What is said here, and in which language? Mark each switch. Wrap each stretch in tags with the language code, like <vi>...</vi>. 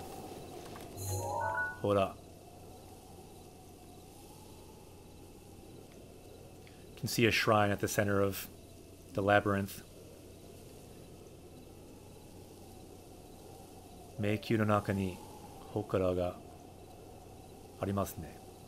<ja>これは迷宮ですね。ほら。</ja> <en>You can see a shrine at the center of the labyrinth.</en> <ja>迷宮の中に祠がありますね。</ja>